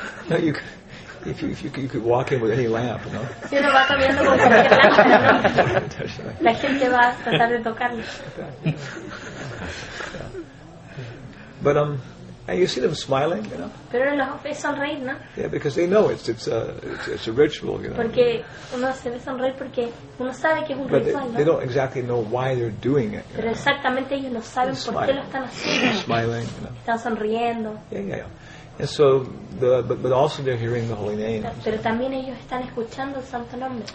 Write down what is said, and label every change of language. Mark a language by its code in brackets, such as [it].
[en] But No, If you could walk in with any lamp, you know. [es] Si uno va caminando con cualquier lámpara, la gente va a tratar de tocarlo. [en] But and you see them smiling, you know. [es] Pero los ves sonreír, ¿no? [en] Yeah, because they know it's a ritual, you know. [es] Porque uno se ve sonreír porque uno sabe que es un [en] but [es] ritual. [en] They don't exactly know why they're doing it. [es] Pero exactamente ellos no saben por qué lo están haciendo. [en] Smiling, you know. [es] Están sonriendo. [en] Yeah. And so, but also they're hearing the holy name. [es] Pero también ellos están escuchando el santo nombre.